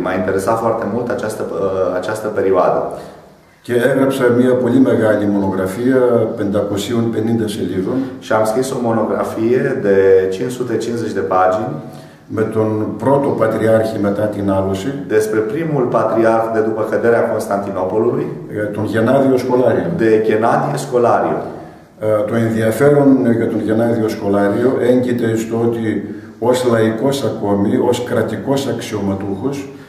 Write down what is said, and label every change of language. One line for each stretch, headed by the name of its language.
Romanian: M-a interesat foarte mult această perioadă.
Greek: Και έγραψα μια πολύ μεγάλη μονογραφία 550 σελίδων.
Romanian: Și am scris o monografie de 550 de pagini.
Greek: Με τον πρώτο πατριάρχη μετά την άλωση.
Romanian: Despre primul patriarh de după căderea Constantinopolului.
Greek: Τον Γενάδιο Σκολάριο.
Romanian: De Γενάδιο Σκολάριο.
Greek: Το ενδιαφέρον για τον Γενάδιο Σκολάριο έγκυται στο ότι ως λαϊκός ακόμη, ως κρατικός αξιωματούχος.